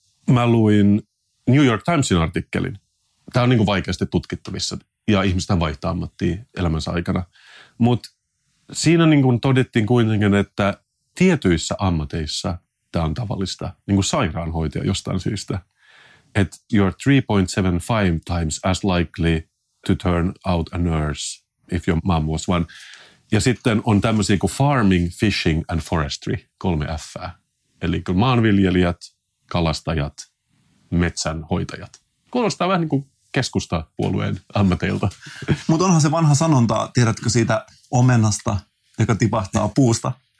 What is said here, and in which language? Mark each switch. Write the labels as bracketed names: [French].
[Finnish] Mä luin New York Timesin artikkelin. Tämä on niin kuin vaikeasti tutkittavissa ja ihmiset vaihtaa ammattia elämänsä aikana. Mutta siinä niin kuin todettiin kuitenkin, että tietyissä ammateissa tämä on tavallista, niin kuin sairaanhoitaja jostain syystä. Että [English] you're 3.75 times as likely to turn out a nurse if your mom was one. [Finnish] Ja sitten on tämmöisiä kuin [English] farming, fishing and forestry, [Finnish] 3 F:ää. Eli maanviljelijät, kalastajat, metsänhoitajat. Kuulostaa vähän niin kuin keskustapuolueen ammateilta. Mutta onhan se vanha sanonta, tiedätkö siitä omenasta, joka tipahtaa puusta?